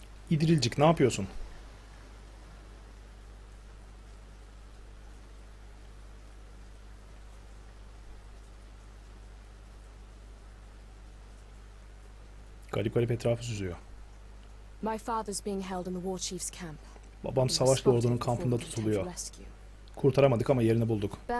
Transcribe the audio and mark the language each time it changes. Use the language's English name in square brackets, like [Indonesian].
[Turkish] İdrilcik, ne yapıyorsun? Garip garip etrafı süzüyor. [English] My father's being held in the war chief's camp. [Turkish] Babam savaş lordunun kampında tutuluyor. Kurtaramadık ama yerini bulduk.